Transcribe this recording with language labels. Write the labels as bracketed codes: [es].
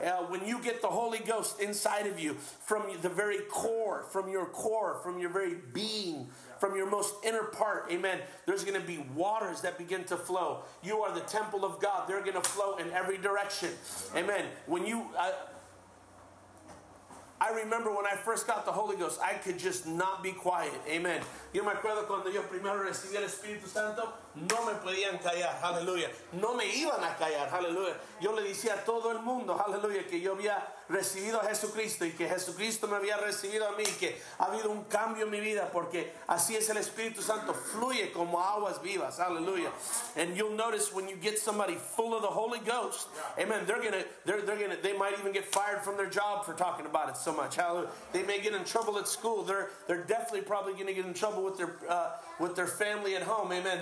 [en] When you get the Holy Ghost inside of you, from the very core, from your very being, from your most inner part, amen, there's going to be waters that begin to flow. You are the temple of God. They're going to flow in every direction. Amen. When you... I remember when I first got the Holy Ghost, I could just not be quiet. Amen. [es] Yo me acuerdo cuando yo primero recibí el Espíritu Santo, no me podían callar. Hallelujah. No me iban a callar. Hallelujah. Yo le decía a todo el mundo, hallelujah, que yo había recibido a Jesucristo y que Jesucristo me había recibido a mí y que ha habido un cambio en mi vida porque así es el Espíritu Santo. Fluye como aguas vivas. Hallelujah. [en] And you'll notice when you get somebody full of the Holy Ghost, amen, they might even get fired from their job for talking about it so much. Hallelujah. They may get in trouble at school. They're definitely probably going to get in trouble with their family at home. Amen.